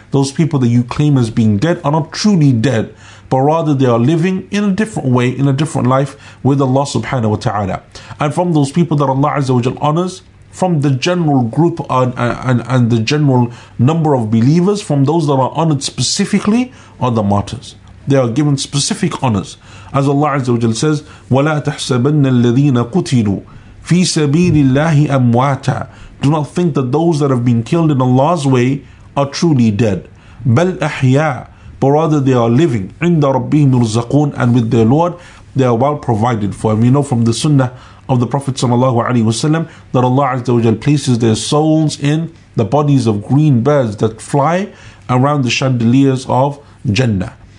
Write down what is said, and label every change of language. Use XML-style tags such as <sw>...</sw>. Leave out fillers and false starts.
<en>Those people that you claim as being dead are not truly dead, but rather they are living in a different way, in a different life with Allah subhanahu wa ta'ala. And from those people that Allah Azza wa Jalla honors, from the general group and the general number of believers, from those that are honored specifically, are the martyrs. They are given specific honors. As Allah Azza wa Jalla says,</en> <ar>وَلَا تَحْسَبَنَّ الَّذِينَ قُتِلُوا فِي سَبِيلِ اللَّهِ أَمْوَاتًا.</ar> <en>Do not think that those that have been killed in Allah's way are truly dead.</en> <ar>بَلْ أَحْيَا.</ar> <en>But rather they are living.</en> <ar>عِنْدَ رَبِّهِمْ يُرْزَقُونَ.</ar> <en>And with their Lord, they are well provided for. And we know from the sunnah of the Prophet sallallahu alaihi wasallam that Allah Azza wa Jalla places their souls in the bodies of green birds that fly around the chandeliers of Jannah.</en>